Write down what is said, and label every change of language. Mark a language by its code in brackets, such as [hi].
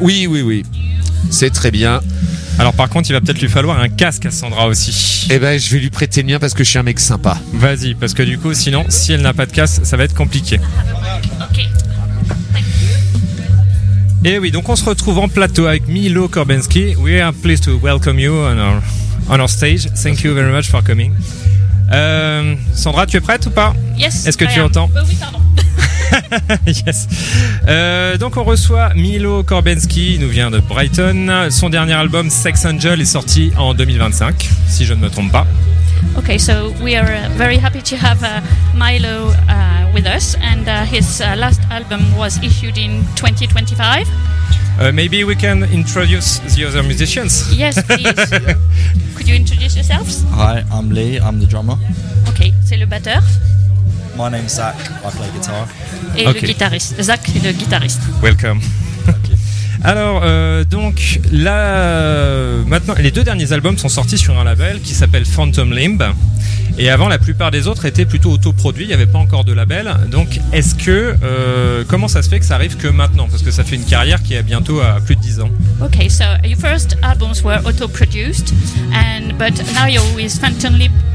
[fr] Oui. C'est très bien. Alors par contre, il va peut-être lui falloir un casque à Sandra aussi. Eh ben, je vais lui prêter le mien parce que je suis un mec sympa. Vas-y, parce que du coup, sinon, si elle n'a pas de casque, ça va être compliqué. Et oui, donc on se retrouve en plateau avec Milo Korbinski. [en] We are pleased to welcome you on our stage. Thank you very much for coming. [fr] Sandra, tu es prête ou pas? [en] Yes. [fr] Est-ce que [en] I [fr] tu [en] am. [fr] Entends? Oui, pardon. [en] Yes. [fr] Donc on reçoit Milo Korbinski, il nous vient de Brighton. Son dernier album Sex Angel est sorti en 2025, si je ne me trompe pas. [en] Okay, so we are very happy to have Milo with us and his last album was issued in 2025. Maybe we can introduce the other musicians. Yes, please. Could you introduce yourselves? Hi, I'm Lee, I'm the drummer. [fr] Okay, c'est le batteur. [en] My name's Zach, I play guitar. [fr] Et okay. Le guitariste, Zach est le guitariste. [en] Welcome. Thank you. [fr] Alors, donc, là, maintenant, les deux derniers albums sont sortis sur un label qui s'appelle Phantom Limb. Et avant, la plupart des autres étaient plutôt autoproduits, il n'y avait pas encore de label. Donc, est-ce que, comment ça se fait que ça arrive que maintenant? Parce que ça fait une carrière qui est bientôt à plus de 10 ans. [en] Ok, so your first albums were autoproduced, and, but now you're with Phantom Limb.